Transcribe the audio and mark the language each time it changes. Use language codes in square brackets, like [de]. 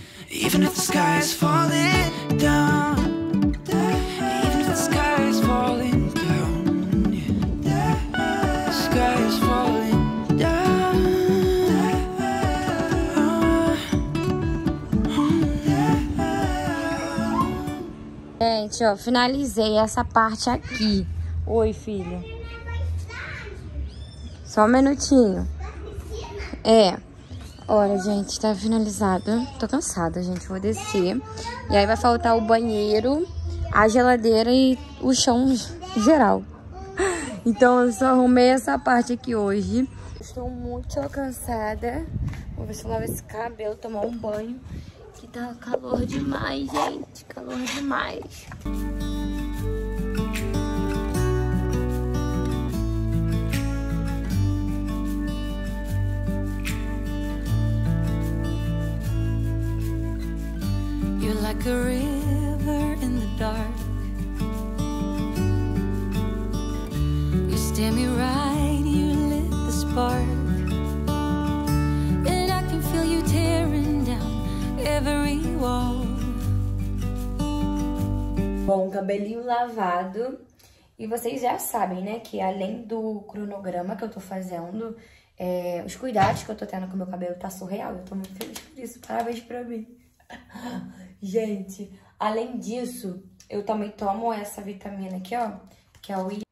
[en] Even if the sky is falling down, even if the sky is falling down, the sky is falling down. [pt] Gente, ó, finalizei essa parte aqui. Oi, filha. Só um minutinho. É. Olha, gente, tá finalizado. Tô cansada, gente. Vou descer. E aí vai faltar o banheiro, a geladeira e o chão geral. Então eu só arrumei essa parte aqui hoje. Estou muito cansada. Vou ver se eu lavo esse cabelo, tomar um banho. Que tá calor demais, gente. Calor demais. [en] Like a river in the dark, you steer me right, you lit the spark, and I can feel you tearing down every wall. [pt] Bom, cabelinho lavado, e vocês já sabem, né, que além do cronograma que eu tô fazendo, os cuidados que eu tô tendo com o meu cabelo tá surreal. Eu tô muito feliz por isso, parabéns pra mim. Gente, além disso, eu também tomo essa vitamina aqui, ó, que é o